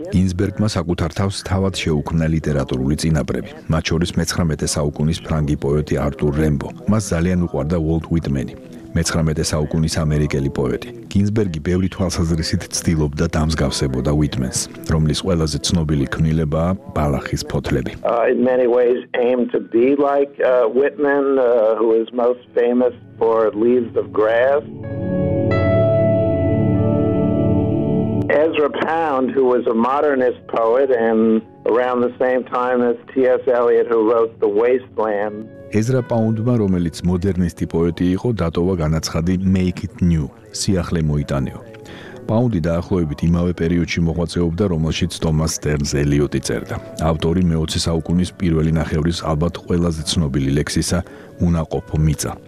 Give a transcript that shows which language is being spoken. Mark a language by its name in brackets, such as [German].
[Georgian] გინსბერგმა საკუთარ თავს თავად შეუქმნა ლიტერატურული წინაპრები, მათ შორის მე-19 საუკუნის ფრანგი პოეტი არტურ რემბო. მას ძალიან უყვარდა უოლტ უიტმენი, მე-19 საუკუნის ამერიკელი პოეტი. გინსბერგი ბევრი თვალსაზრისით ცდილობდა დამსგავსებოდა უიტმენს, რომლის ყველაზე ცნობილი ქმნილებაა ბალახის ფოთლები. [English] In many ways aimed to be like Whitman, who is most famous for Leaves of Grass. Ezra Pound, who was a modernist poet and around the same time as T.S. Eliot, who wrote The Wasteland. [Georgian] Ezra Pound-მა, რომელიც მოდერნისტი პოეტი იყო, დატოვა განაცხადი [English] Make it new, [Georgian] სიახლე მოიტანეო. პაუნდი დაახლოებით იმავე პერიოდში მოღვაწეობდა, რომელშიც ტომას სტერნს ელიოტი წერდა. ავტორი მე-20 საუკუნის პირველი ნახევრის ალბათ ყველაზე ცნობილი ლექსისა უნაყოფო მიწა.